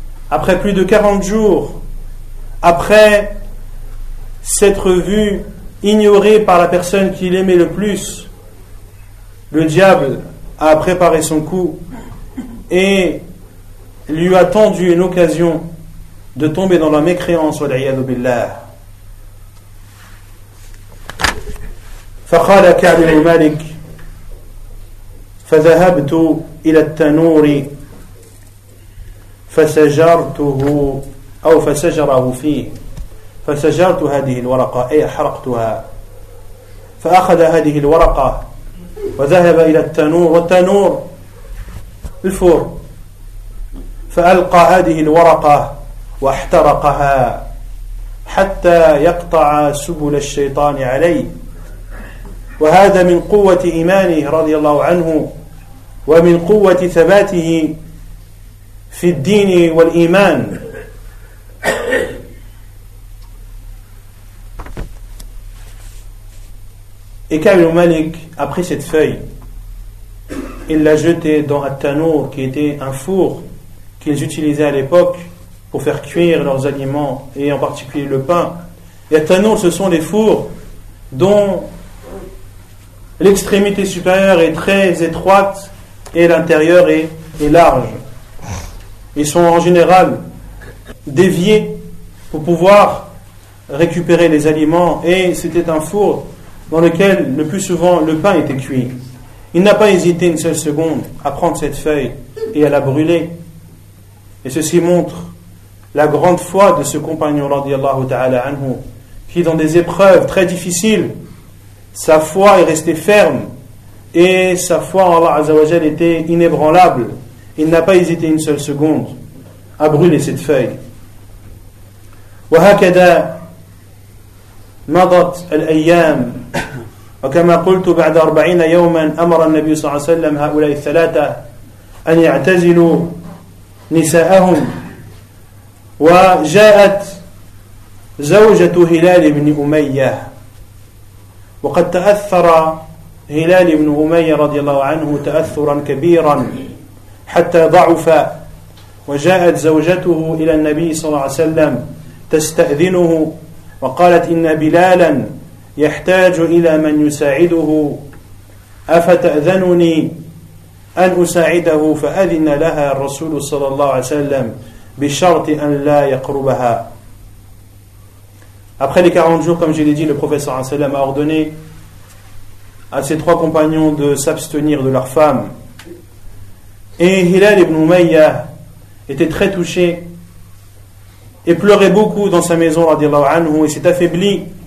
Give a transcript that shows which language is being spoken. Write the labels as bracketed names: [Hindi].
[French] Après plus de 40 jours, après s'être vu ignoré par la personne qu'il aimait le plus, le diable a préparé son coup et lui a tendu une occasion de tomber dans la mécréance. [Arabic] Wal'iyadu billah. فقال كعب بن مالك فذهبت إلى التنور فسجرته أو فسجره فيه فسجرت هذه الورقة أي حرقتها فأخذ هذه الورقة وذهب إلى التنور والتنور الفور فألقى هذه الورقة واحترقها حتى يقطع سبل الشيطان عليه وهذا من قوة إيمانه رضي الله عنه ومن قوة ثباته في الدين والإيمان [French] Et Ka'b ibn Malik a pris cette feuille, il l'a jetée dans un tanour qui était un four qu'ils utilisaient à l'époque pour faire cuire leurs aliments et en particulier le pain. Et un tanour, ce sont les fours dont l'extrémité supérieure est très étroite et l'intérieur est large. Ils sont en général déviés pour pouvoir récupérer les aliments et c'était un four dans lequel le plus souvent le pain était cuit. Il n'a pas hésité une seule seconde à prendre cette feuille et à la brûler. Et ceci montre la grande foi de ce compagnon radiallahu ta'ala anhu qui dans des épreuves très difficiles sa foi est restée ferme et sa foi en Allah Azzawajal était inébranlable. Il n'a pas hésité une seule seconde à brûler cette feuille. [Arabic] وَهَكَدَا مَضَتْ الْأَيَّامِ وَكَمَا قُلْتُ بَعْدَ 40 يَوْمًا أَمَرَ النَّبِي صلى الله عليه وسلم هَؤُلَاءِ الثَّلَاثَ أَنْ يَعْتَزِلُوا نِسَاءَهُمْ وَجَاءَتْ زَوْجَةُ هِلَالِ بْنِ أُمَيَّةِ وقد تأثر هلال بن أمية رضي الله عنه تأثرا كبيرا حتى ضعف وجاءت زوجته إلى النبي صلى الله عليه وسلم تستأذنه وقالت إن بلالا يحتاج إلى من يساعده أفتأذنني أن أساعده فأذن لها الرسول صلى الله عليه وسلم بشرط أن لا يقربها. [French] Après les 40 jours, comme je l'ai dit, le prophète sallam a ordonné à ses trois compagnons de s'abstenir de leur femme. Et Hilal ibn Umayyah était très touché et pleurait beaucoup dans sa maison, radiallahu anhu, et s'est affaibli.